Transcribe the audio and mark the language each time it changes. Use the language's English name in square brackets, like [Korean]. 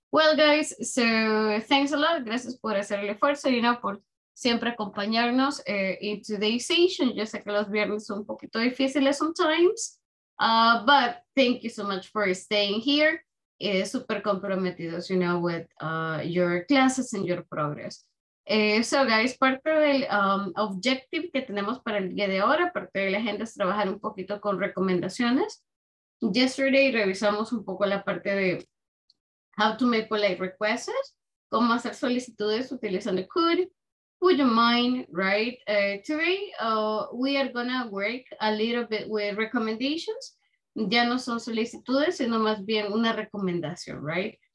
[English] Well guys, so thanks a lot, [Spanish] gracias por hacer el esfuerzo, [English] you know, [Spanish] por siempre acompañarnos [English] in today's session. [Spanish] Yo sé que los viernes son un poquito difíciles [English] sometimes, but thank you so much for staying here. [Spanish] Super comprometidos, [English] you know, with your classes and your progress. So guys, [Spanish] parte del objective que tenemos para el día de ahora, parte de la agenda es trabajar un poquito con recomendaciones. Yesterday revisamos un poco la parte de [English] how to make polite requests. [Spanish] cómo hacer solicitudes utilizando could. [English] Would you mind, right? Today, we are gonna work a little bit with recommendations. [Spanish] Ya no son solicitudes, sino más bien una recomendación, right?